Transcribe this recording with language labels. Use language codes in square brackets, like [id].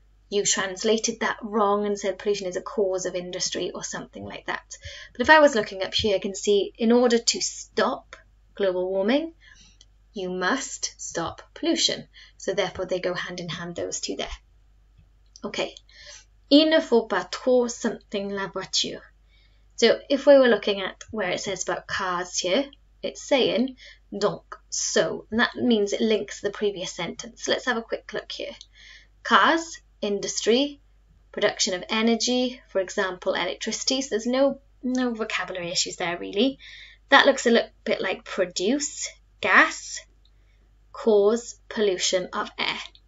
[en] you translated that wrong and said pollution is a cause of industry or something like that. But if I was looking up here, I can see in order to stop global warming, you must stop pollution. So therefore, they go hand in hand, those two there. Okay. [fr] Il ne faut pas trop [en] something [fr] la voiture. [en] So if we were looking at where it says about cars here, it's saying [fr] donc, [en] so. And that means it links the previous sentence. Let's have a quick look here. Cars, industry, production of energy, for example, electricity. So there's no vocabulary issues there, really. That looks a little bit like produce, gas, cause pollution of air.